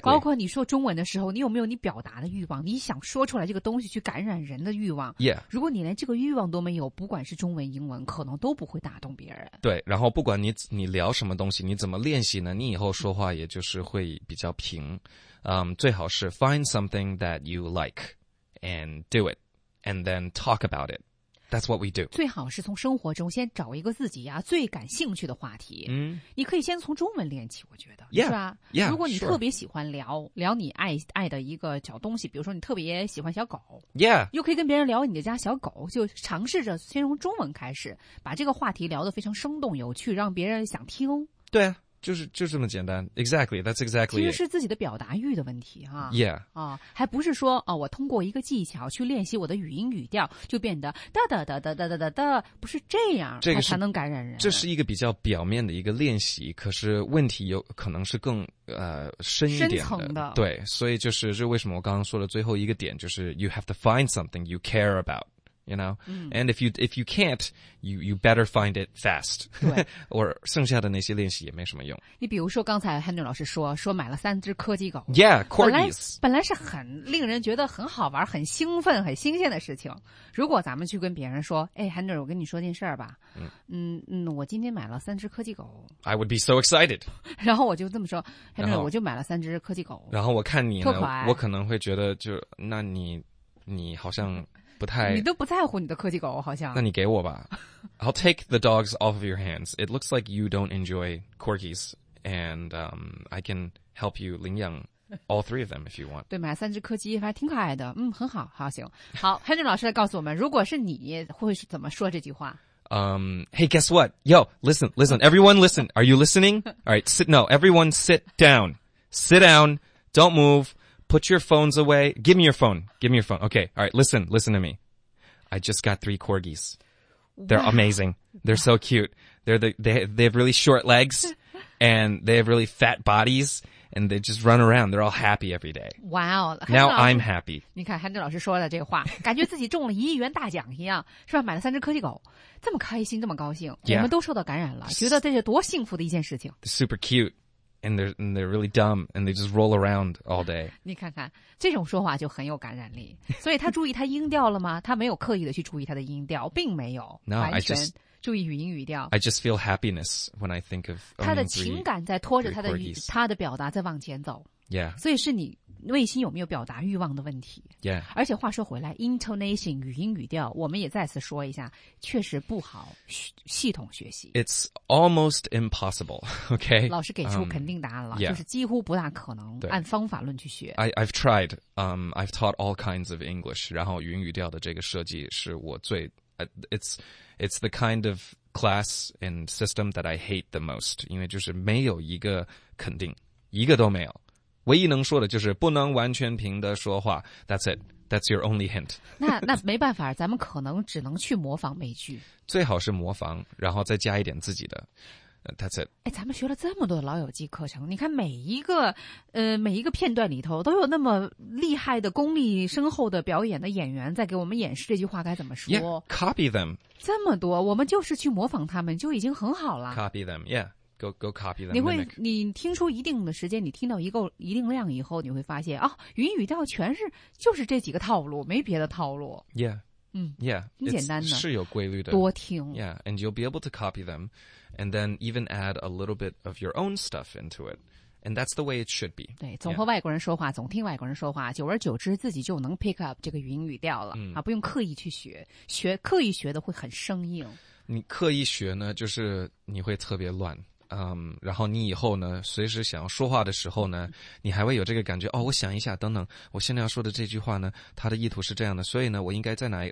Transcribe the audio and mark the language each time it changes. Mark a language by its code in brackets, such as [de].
[zh] 包括你说中文的时候，你有没有你表达的欲望？你想说出来这个东西去感染人的欲望。 [en] Yeah. [zh] 如果你连这个欲望都没有，不管是中文、英文，可能都不会打动别人。对，然后不管你聊什么东西，你怎么练习呢？你以后说话也就是会比较平。最好是 [en] find something that you like and do it and then talk about it. That's what we do. [zh] 最好是从生活中先找一个自己呀、最感兴趣的话题。你可以先从中文练起，我觉得 [en] yeah, [zh] 是吧？ [en] Yeah, [zh] 如果你特别喜欢聊、 [en] sure. [zh] 聊你爱的一个小东西，比如说你特别喜欢小狗 [en] ，Yeah， [zh] 又可以跟别人聊你的家小狗，就尝试着先从中文开始，把这个话题聊得非常生动有趣，让别人想听。对啊，就这么简单。 [en] Exactly, that's exactly. [zh] 其实是自己的表达欲的问题啊。 [en] Yeah. [zh] 啊，还不是说啊，我通过一个技巧去练习我的语音语调，就变得哒哒哒哒哒哒哒哒，不是这样，这个才能感染人。这是一个比较表面的一个练习，可是问题有可能是更深一点的。深层的。对，所以就为什么我刚刚说的最后一个点，就是 [en] you have to find something you care about。 You know, and if you can't, you better find it fast. [zh] 对，或者剩下的那些练习也没什么用。你比如说刚才 Henry 老师说买了三只柯基狗。 [en] Yeah, corgis. [zh] 本来是很令人觉得很好玩、很兴奋、很新鲜的事情。如果咱们去跟别人说，哎 ，Henry， 我跟你说件事儿吧。我今天买了三只柯基狗。 [en] I would be so excited. [zh] 然后我就这么说 ，Henry， 我就买了三只柯基狗。然后我看你呢，我可能会觉得那你好像。不太，你都不在乎你的柯基狗，好像。那你给我吧。 [en] I'll take the dogs off of your hands. It looks like you don't enjoy corgis, and I can help you [zh] 领养 [en] all three of them if you want. [zh] 对，买三只柯基还挺可爱的，很好，好行。好 ，Henry 老师来告诉我们，如果是你，会是怎么说这句话 [en] ？Hey, guess what? Yo, listen, listen, everyone, listen. Are you listening? All right, sit. No, everyone, sit down. Sit down. Don't move. Put your phones away. Give me your phone. Give me your phone. Okay. All right. Listen. Listen to me. I just got three corgis. They're amazing. They're so cute. They have really short legs. And they have really fat bodies, and they just run around. They're all happy every day. Wow. Now I'm happy. [zh] 你看韩俊老师说的这话，感觉自己中了一亿元大奖一样，是吧？买了三只科技狗，这么开心，这么高兴。 [en] Yeah. [zh] 我们都受到感染了，觉得这是多幸福的一件事情。 [en] Super cute. And they're really dumb. And they just roll around all day. [zh] 你看看，这种说话就很有感染力。所以他注意他音调了吗？他没有刻意的去注意他的音调，并没有。 [en] No, [zh] 完全 注意语音语调。 [en] I just feel happiness when I think of owning three corgis. [zh] 他的情感在拖着他的表达在往前走。 [en] Yeah. [zh] 所以是你内心有没有表达欲望的问题。 [en] Yeah. [zh] 而且话说回来 ,intonation, 语音语调我们也再次说一下确实不好系统学习。 [en] It's almost impossible, okay? [zh] 老师给出肯定答案了、 [en] yeah. [zh] 就是几乎不大可能按方法论去学。 [en] I've tried, I've taught all kinds of English, [zh] 然后语音语调的这个设计是我最 [en] It's the kind of class and system that I hate the most. [zh] 因为就是没有一个肯定，一个都没有。唯一能说的就是不能完全凭的说话。 [en] That's it. That's your only hint. [zh] 那没办法，咱们可能只能去模仿美剧。最好是模仿，然后再加一点自己的。 [en] That's it. [zh] 哎，咱们学了这么多老友记课程，你看每一个片段里头都有那么厉害的功力深厚的表演的演员在给我们演示这句话该怎么说。 [en] Yeah, copy them. [zh] 这么多，我们就是去模仿他们就已经很好了。 [en] Copy them, yeah. Go copy them. [zh] 你听出一定的时间，你听到一定量以后，你会发现啊，语音语调全是就是这几个套路，没别的套路。 [en] Yeah. Yeah, [zh] 很简单的，是有规律的，多听。 [en] Yeah, and you'll be able to copy them, and then even add a little bit of your own stuff into it, and that's the way it should be. [zh] 对，总和外国人说话，总听外国人说话，久而久之，自己就能 [en] pick up [zh] 这个语音语调了、不用刻意去学，刻意学的会很生硬。你刻意学呢，就是你会特别乱。然后你以后呢，随时想要说话的时候呢，你还会有这个感觉哦。我想一下，等等，我现在要说的这句话呢，它的意图是这样的，所以呢，我应该在哪？